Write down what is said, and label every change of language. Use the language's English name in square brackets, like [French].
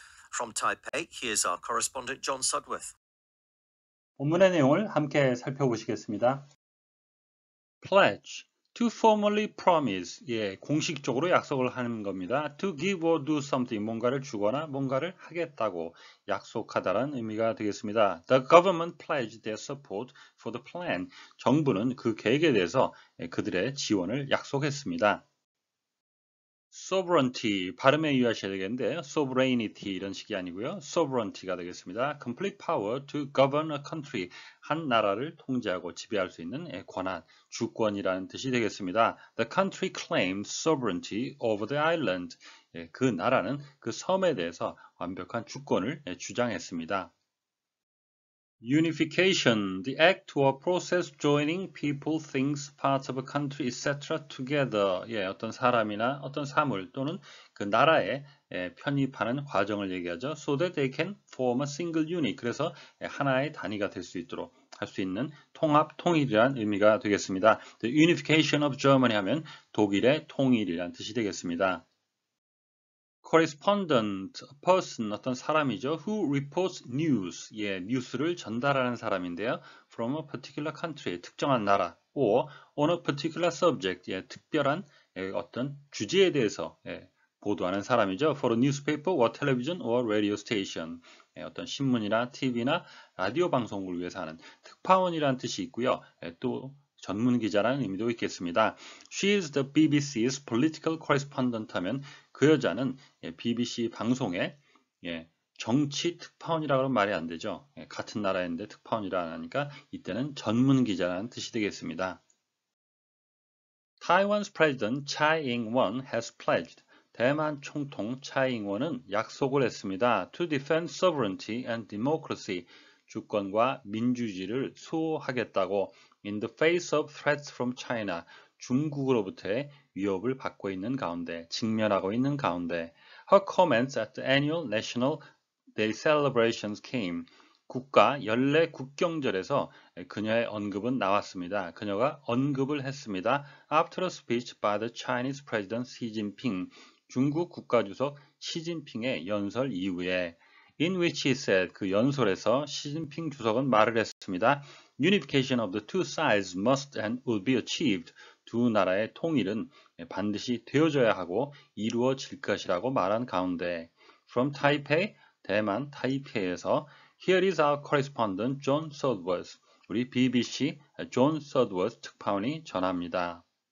[English] From Taipei, here's our correspondent John Sudworth. [Korean] 본문의 내용을 함께 살펴보시겠습니다. [English] Pledge, to formally promise, [Korean] 예, 공식적으로 약속을 하는 겁니다. [English] To give or do something, [Korean] 뭔가를 주거나 뭔가를 하겠다고 약속하다라는 의미가 되겠습니다. [English] The government pledged their support for the plan. [Korean] 정부는 그 계획에 대해서 그들의 지원을 약속했습니다. Sovereignty, 발음에 유의하셔야 되겠는데요. Sovereignty 이런 식이 아니고요. Sovereignty가 되겠습니다. [English] Complete power to govern a country. [Korean] 한 나라를 통제하고 지배할 수 있는 권한, 주권이라는 뜻이 되겠습니다. [English] The country claims sovereignty over the island. [Korean] 그 나라는 그 섬에 대해서 완벽한 주권을 주장했습니다. [English] Unification, the act or process joining people, things, parts of a country, etc. together. [Korean] 예, 어떤 사람이나 어떤 사물 또는 그 나라에 편입하는 과정을 얘기하죠. [English] So that they can form a single unit. [Korean] 그래서 하나의 단위가 될수 있도록 할수 있는 통합, 통일이란 의미가 되겠습니다. [English] The unification of Germany [Korean] 하면 독일의 통일이란 뜻이 되겠습니다. [English] Correspondent, a person, [Korean] 어떤 사람이죠. [English] Who reports news, [Korean] 예, 뉴스를 전달하는 사람인데요. [English] From a particular country, [Korean] 특정한 나라, [English] or on a particular subject, [Korean] 예, 특별한 어떤 주제에 대해서 보도하는 사람이죠. [English] For a newspaper, or television, or radio station, [Korean] 어떤 신문이나 TV나 라디오 방송국을 위해서 하는 특파원이라는 뜻이 있고요. 또 전문 기자라는 의미도 있겠습니다. [English] She is the BBC's political correspondent [Korean] 하면 그 여자는 BBC 방송의 정치 특파원이라고는 말이 안 되죠. 같은 나라인데 특파원이라 안 하니까 이때는 전문 기자라는 뜻이 되겠습니다. [English] Taiwan's President Tsai Ing-wen has pledged. [Korean] 대만 총통 차이잉원은 약속을 했습니다. [English] To defend sovereignty and democracy. [Korean] 주권과 민주주의를 수호하겠다고. [English] In the face of threats from China. [Korean] 중국으로부터의 위협을 받고 있는 가운데, 직면하고 있는 가운데. [English] Her comments at the annual National Day celebrations came. [Korean] 국가 연례 국경절에서 그녀의 언급은 나왔습니다. 그녀가 언급을 했습니다. [English] After a speech by the Chinese President Xi Jinping, [Korean] 중국 국가주석 시진핑의 연설 이후에, [English] in which he said, [Korean] 그 연설에서 시진핑 주석은 말을 했습니다. [English] Unification of the two sides must and will be achieved. [Korean] 두 나라의 통일은 반드시 되어져야 하고 이루어질 것이라고 말한 가운데, [English] from Taipei, [Korean] 대만 타이페이에서 [English] Here is our correspondent John Sudworth. [Korean] 우리 BBC 존 서드워스 특파원이 전합니다.